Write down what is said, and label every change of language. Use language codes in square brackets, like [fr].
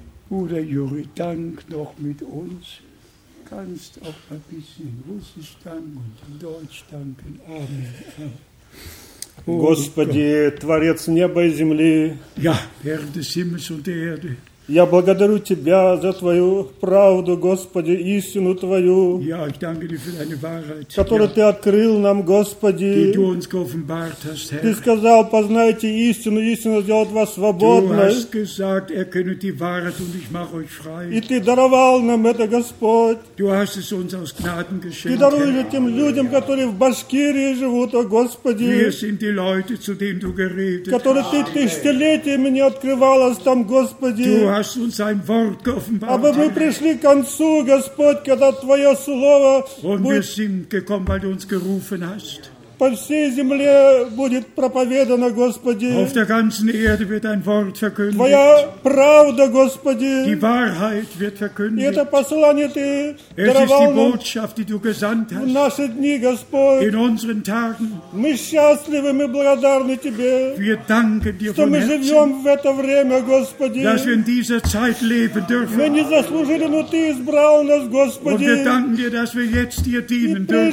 [de] Bruder Juri, dank noch mit uns. Kannst auch ein bisschen Russisch danken und in Deutsch danken. Amen. [ru] Господи, Творец неба и земли, [de] ja, Herr des Himmels und der Erde, [ru] я благодарю Тебя за Твою правду, Господи, истину Твою, [de] ja, ich danke dir für deine Wahrheit, [ru] которую [de] ja, [ru] Ты открыл нам, Господи. [de] Die du uns geoffenbart hast, Herr. [ru] Ты сказал, познайте истину, истина сделает вас свободной. [de] Du hast gesagt, erkennet die Wahrheit und ich mache euch frei. [ru] И Ты даровал нам это, Господь. [de] Du hast es uns aus Gnaden geschenkt, [ru] Ты даруешь [de] Herr. [ru] Тем людям, [de] ja, [ru] которые в Башкирии живут, о Господи. [de] Wir sind die Leute, zu denen du geredet hast. [ru] Которые Ты тысячелетиями не открывалась там, Господи. [de] Du hast uns ein Wort geoffenbart. Aber wir [ru] пришли к концу, Господь, когда Твое слово [de] und [ru] будет... [de] wir sind gekommen, weil du uns gerufen hast. [ru] По всей земле будет проповедано, Господи. [de] Auf der ganzen Erde wird ein Wort verkündet. [ru] Твоя правда, Господи. [de] Die Wahrheit wird verkündet. [ru] И это послание Ты даровал нам. [de] Es ist die Botschaft, die Du gesandt hast. [ru] В наши дни, Господь. [de] In unseren Tagen. [ru] Мы счастливы, мы благодарны Тебе. [de] Wir danken Dir von [ru] Что мы живем в это время, Господи. [de] Dass wir in dieser Zeit leben dürfen. [ru] Мы не заслужили, но Ты избрал нас, Господи. [de] Und wir danken Dir, dass wir jetzt Dir dienen dürfen.